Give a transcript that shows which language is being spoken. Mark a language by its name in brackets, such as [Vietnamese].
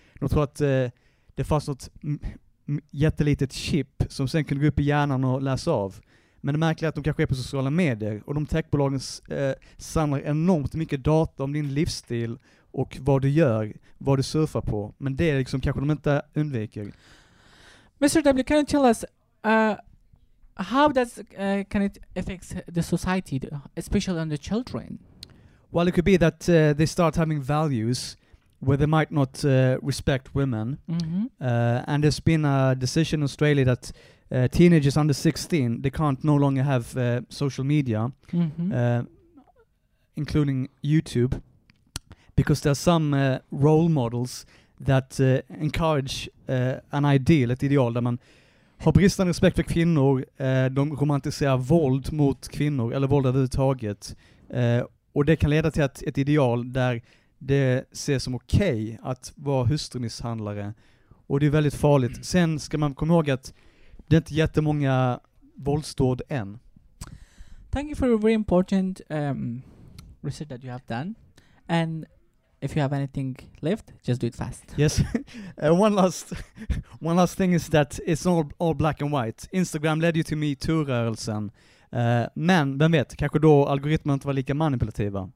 [Swedish] De tror att det fanns något jättelitet chip som sen kunde gå upp i hjärnan och läsa av. Men det märkliga är att de kanske är på sociala medier och de techbolagen samlar enormt mycket data om din livsstil och vad du gör, vad du surfar på. Men det är liksom kanske de inte undviker. [English] Mr. W, can you tell us how does can it affect the society, especially on the children? Well, it could be that they start having values where they might not respect women. Mm-hmm. And there's been a decision in Australia that teenagers under 16, they can't no longer have social media, mm-hmm. Including YouTube, because there are some role models that encourage an ideal, [Swedish] ett ideal där man har bristande respekt för kvinnor, de romantiserar våld mot kvinnor eller våld överhuvudtaget. Och det kan leda till att ett ideal där det ses som okej att vara hustrumisshandlare, och det är väldigt farligt. Sen ska man komma ihåg att det är inte jättemånga våldsdåd än. [English] Thank you for a very important research that you have done. And if you have anything left, just do it fast. Yes. one last thing is that it's all black and white. [Swedish] Instagram [English] led you to [Swedish] MeToo-rörelsen. Men, vem vet, kanske då algoritmen inte var lika manipulativa.